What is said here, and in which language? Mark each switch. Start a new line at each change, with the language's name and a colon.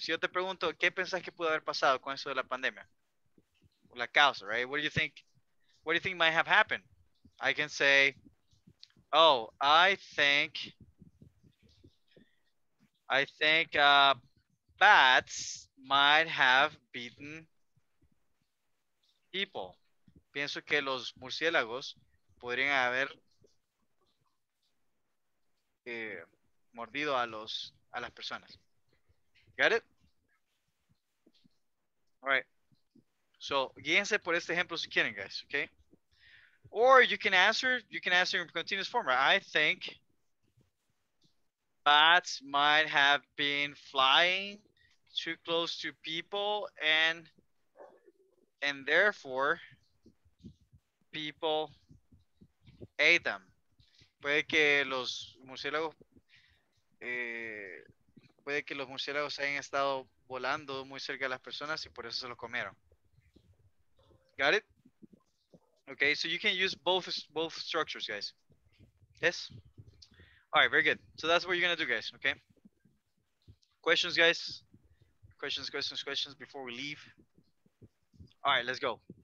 Spanish: Si yo te pregunto, ¿qué pensás que pudo haber pasado con eso de la pandemia? La causa,
English: right? What do you think might have happened? I can say, oh, I think bats might have beaten people.
Spanish: Pienso que los murciélagos podrían haber mordido a las personas.
English: Got it? All right. So,
Spanish: guíense por este ejemplo si quieren, guys, okay?
English: Or you can answer in continuous form. Right? I think bats might have been flying too close to people and therefore people ate them.
Spanish: Puede que los murciélagos hayan estado volando muy cerca de las personas y por eso se lo comieron.
English: Got it? Okay, so you can use both structures, guys. Yes? All right, very good. So that's what you're going to do, guys, okay? Questions, guys? Questions before we leave. All right, let's go.